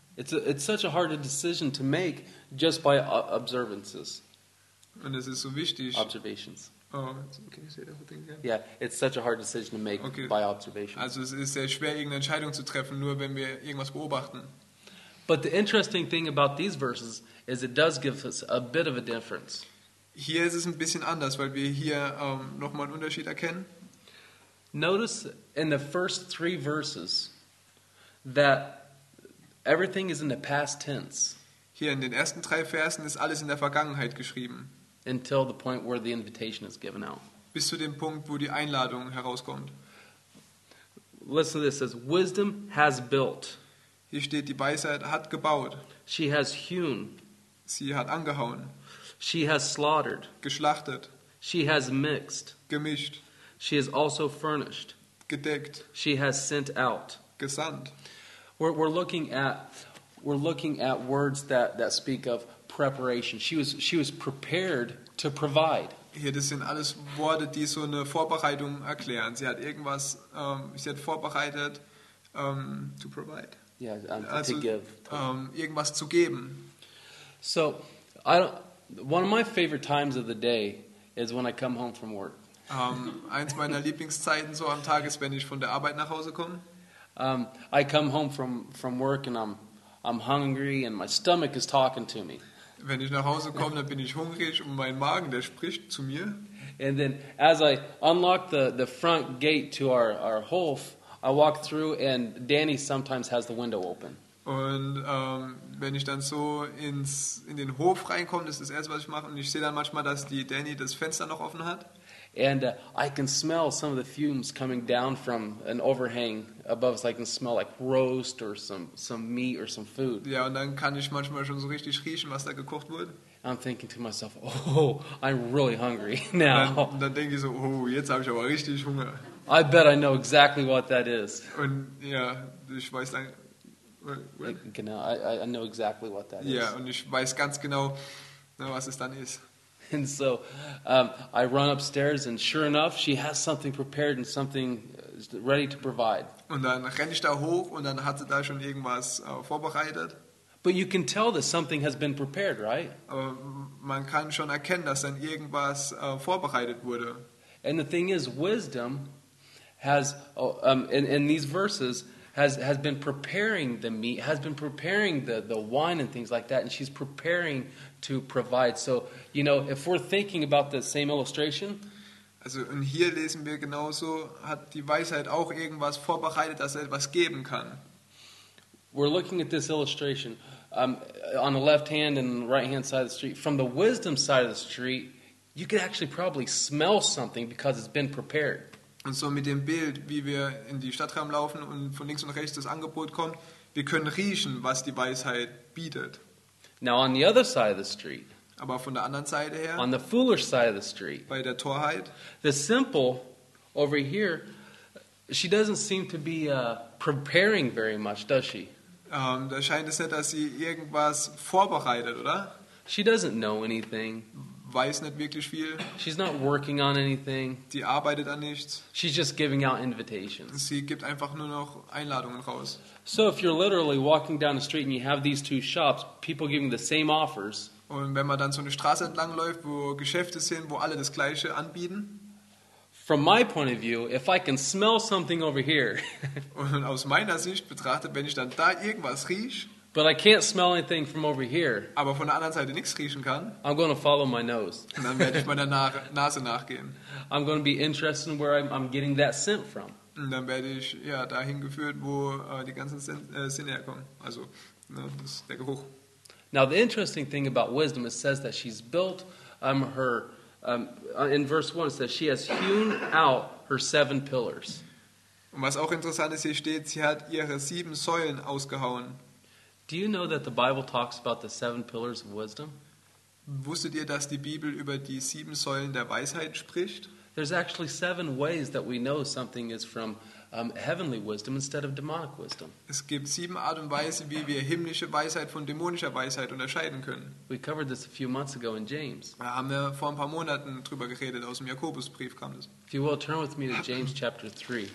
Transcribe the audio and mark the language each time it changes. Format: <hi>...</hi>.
<en>It's such a hard decision to make just by observances. And this is so wichtig. Observations. Oh, can you say the whole thing again? Yeah, it's such a hard decision to make by observation.</en> <de>Also, es ist sehr schwer, irgendeine Entscheidung zu treffen, nur wenn wir irgendwas beobachten.</de> <en>But the interesting thing about these verses is it does give us a bit of a difference.</en> <de>Hier ist es ein bisschen anders, weil wir hier nochmal einen Unterschied erkennen.</de> <en>Notice in the first three verses that everything is in the past tense.</en> <de>Hier in den ersten drei Versen ist alles in der Vergangenheit geschrieben.</de> <en>until the point where the invitation is given out.</en> <de>Bis zu dem Punkt, wo die Einladung herauskommt.</de> <en>Listen to this, it says, wisdom has built.</en> <de>Hier steht, die Weisheit hat gebaut.</de> <en>She has hewn.</en> <de>Sie hat angehauen.</de> <en>She has slaughtered.</en> <de>Geschlachtet.</de> <en>She has mixed.</en> <de>Gemischt.</de> <en>She has also furnished.</en> <de>Gedeckt.</de> <en>She has sent out.</en> <de>Gesandt.</de> <en>We're looking at words that speak of preparation. She was prepared to provide.</en> <de>Hier, das sind alles Worte, die so eine Vorbereitung erklären. Sie hat irgendwas, sie hat vorbereitet,</de> <en>to provide. Yeah, to give.</en> <de>Irgendwas zu geben.</de> <en>So, one of my favorite times of the day is when I come home from work.</en> <de>Eins meiner Lieblingszeiten so am Tag ist, wenn ich von der Arbeit nach Hause komme.</de> <en>I come home from work and I'm hungry and my stomach is talking to me.</en> <de>Wenn ich nach Hause komme, dann bin ich hungrig und mein Magen, der spricht zu mir.</de> <en>And then as I unlock the front gate to our Hof, I walk through and Danny sometimes has the window open.</en> <de>Und wenn ich dann so in den Hof reinkomme, das ist das erste, was ich mache, und ich sehe dann manchmal, dass die Danny das Fenster noch offen hat.</de> <en>And I can smell some of the fumes coming down from an overhang above us. I can smell like roast or some meat or some food.</en> <de>Ja, und dann kann ich manchmal schon so richtig riechen, was da gekocht wurde.</de> <en>I'm thinking to myself, oh, I'm really hungry now.</en> <de>Dann denke ich so, oh, jetzt habe ich aber richtig Hunger.</de> <en>I bet I know exactly what that is.</en> <de>Und ja, ich weiß dann,</de> <en>genau, I know exactly what that is.</en> <de>Ja, und ich weiß ganz genau, was es dann ist.</de> <en>And so I run upstairs and sure enough she has something prepared and something ready to provide.</en> <de>Und dann renne ich da hoch und dann hat sie da schon irgendwas vorbereitet.</de> <en>But you can tell that something has been prepared, right?</en> <de>Man kann schon erkennen, dass dann irgendwas vorbereitet wurde.</de> <en>And the thing is, wisdom has in these verses has been preparing the meat, has been preparing the wine and things like that, and she's preparing to provide. So, you know, if we're thinking about the same illustration.</en> <de>Also, und hier lesen wir genauso, hat die Weisheit auch irgendwas vorbereitet, dass er etwas geben kann.</de> <en>We're looking at this illustration on the left hand and right hand side of the street. From the wisdom side of the street, you could actually probably smell something because it's been prepared.</en> <de>Und so mit dem Bild, wie wir in die Stadt reinlaufen und von links und rechts das Angebot kommt, wir können riechen, was die Weisheit bietet.</de> <en>Now on the other side of the street.</en> <de>Aber von der anderen Seite her.</de> <en>On the foolish side of the street.</en> <de>Bei der Torheit.</de> <en>The simple over here, she doesn't seem to be preparing very much, does she?</en> <de>Da scheint es nicht, dass sie irgendwas vorbereitet, oder?</de> <en>She doesn't know anything.</en> <de>Weiß nicht wirklich viel.</de> <en>She's not working on anything.</en> <de>Die arbeitet an nichts.</de> <en>She's just giving out invitations.</en> <de>Sie gibt einfach nur noch Einladungen raus.</de> <en>So if you're literally walking down the street and you have these two shops, people giving the same offers.</en> <de>Und wenn man dann so eine Straße entlang läuft, wo Geschäfte sind, wo alle das gleiche anbieten.</de> <en>From my point of view, if I can smell something over here.</en> <de>Und aus meiner Sicht betrachtet, wenn ich dann da irgendwas rieche.</de> <en>But I can't smell anything from over here.</en> <de>Aber von der anderen Seite nichts riechen kann.</de> <en>I'm going to follow my nose.</en> <de>Und dann werde ich meiner Nase nachgehen.</de> <en>I'm going to be interested in where I'm getting that scent from.</en> <de>Und dann werde ich ja dahin geführt, wo die ganzen Sinne herkommen. Also ne, das ist der Geruch.</de> <en>Now the interesting thing about wisdom, it says that she's built her in verse 1 it says she has hewn out her 7 pillars.</en> <de>Und was auch interessant ist, hier steht, sie hat ihre 7 Säulen ausgehauen.</de> <en>Do you know that the Bible talks about the 7 pillars of wisdom?</en> <de>Wusstet ihr, dass die Bibel über die 7 Säulen der Weisheit spricht?</de> <en>There's actually 7 ways that we know something is from heavenly wisdom instead of demonic wisdom.</en> <de>Es gibt 7 Art und Weise, wie wir himmlische Weisheit von dämonischer Weisheit unterscheiden können.</de> <en>We covered this a few months ago in James.</en> <de>Da haben wir vor ein paar Monaten drüber geredet, aus dem Jakobusbrief kam das.</de> <en>If you will turn with me to James chapter 3.</en>